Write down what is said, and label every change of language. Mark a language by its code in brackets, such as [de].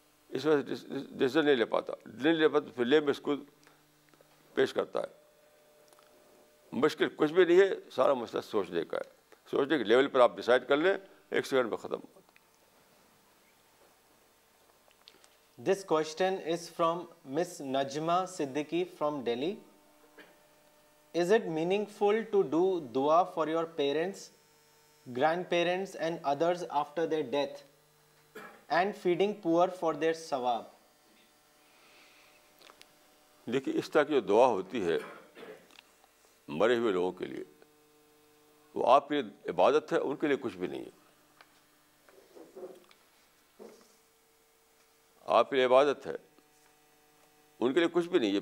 [ur] اس وجہ سے ڈیسیزن نہیں لے پاتا. پھر [en] lame excuse [ur] پیش کرتا ہے. مشکل کچھ بھی نہیں ہے، سارا مسئلہ سوچنے کا ہے. سوچنے کے لیول پر آپ ڈیسائڈ کر لیں، ایک سیکنڈ میں ختم. [en] This question is from Ms. Najma Siddiqui from Delhi. Is it meaningful to do dua for your parents, grandparents and others after their death and feeding poor for their sawab? [ur] دیکھیے اس طرح کی جو دعا ہوتی ہے مرے ہوئے لوگوں کے لیے، وہ آپ کے لیے عبادت ہے، ان کے لیے کچھ بھی نہیں ہے. آپ کے لیے عبادت ہے، ان کے لیے کچھ بھی نہیں.